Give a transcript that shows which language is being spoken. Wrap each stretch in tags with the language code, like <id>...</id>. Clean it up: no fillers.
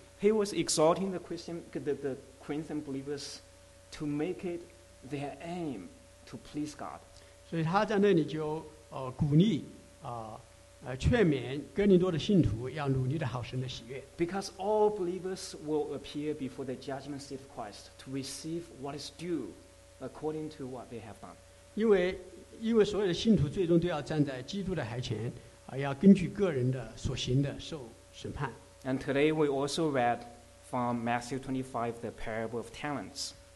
<en>He was exhorting the Corinthian believers to make it their aim to please God.</en> <zh>所以他在那里就鼓励劝勉哥林多的信徒要努力地讨神的喜悦。</zh> <en>Because all believers will appear before the judgment seat of Christ to receive what is due according to what they have done.</en> <zh>因为所有的信徒最终都要站在基督的台前，要根据个人的所行的受审判。</zh> <en>And today we also read from Matthew 25, the parable of talents.</en>